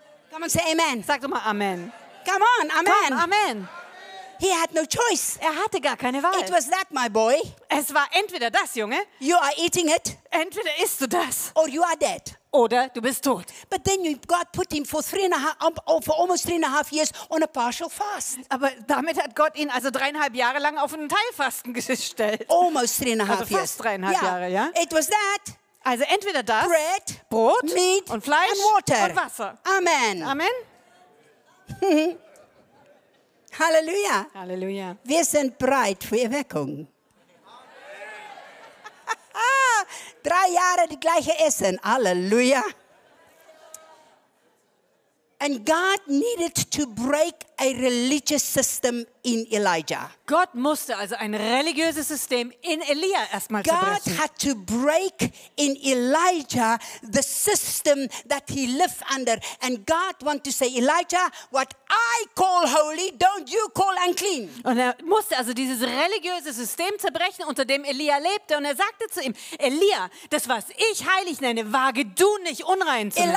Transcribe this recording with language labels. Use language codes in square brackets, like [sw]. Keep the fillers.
[de] Kann man say amen? Sag doch mal amen. [en] Come on, amen. [de] Komm, amen. [en] He had no choice. [de] Er hatte gar keine Wahl. [en] It was that, my boy. [de] Es war entweder das, Junge. [en] You are eating it. [de] Entweder isst du das. [en] Or you are dead. [de] Oder du bist tot. [en] But then you, God put him for three and a half, um, for almost three and a half years on a partial fast. [de] Aber damit hat Gott ihn also dreieinhalb Jahre lang auf einen Teilfasten gestellt. [en] Almost three and a half [de] also dreieinhalb [en] years. [de] dreieinhalb Jahre, ja. It was that. Also entweder das. Bread, Brot, Meat und Fleisch and water. und Wasser. Amen. Amen. Halleluja. Halleluja. Wir sind bereit für Erweckung. Drei Jahre die gleiche Essen. Halleluja. [en] And God needed to break a religious system in Elijah. [de] Gott musste also ein religiöses System in Elia God zerbrechen. [en] had to break in Elijah the system that he lived under and God wanted to say Elijah what I call holy don't you call unclean. [de] Und er musste also dieses religiöse System zerbrechen unter dem Elia lebte und er sagte zu ihm Elia das was ich heilig nenne wage du nicht unrein zu nennen.